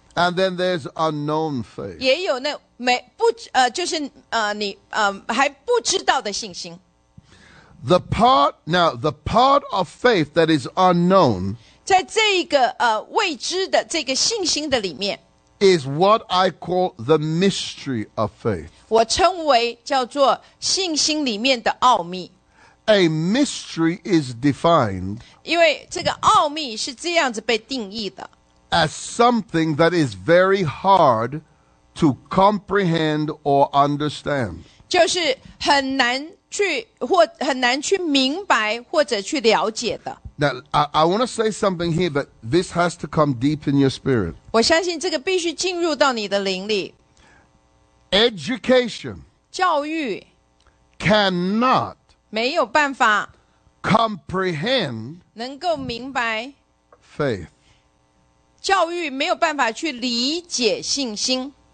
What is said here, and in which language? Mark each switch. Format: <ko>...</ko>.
<en>And then there's unknown faith.</en> <zh>也有那没不就是你还不知道的信心。</zh> <en>The part of faith that is unknown.</en> <zh>在这个未知的这个信心的里面。</zh> <en>Is what I call the mystery of faith.</en> <zh>我称为叫做信心里面的奥秘。</zh> <en>A mystery is defined</en> <zh>因为这个奥秘是这样子被定义的</zh> <en>as something that is very hard to comprehend or understand</en> <zh>就是很难去或很难去明白或者去了解的</zh> <en>Now, I want to say something here, but this has to come deep in your spirit</en> <zh>我相信这个必须进入到你的灵里</zh> <en>Education</en> <zh>教育</zh> <en>cannot</en> <zh>没有办法</zh> <en>comprehend</en> <zh>能够明白</zh> <en>faith</en> <zh>教育没有办法去理解信心</zh>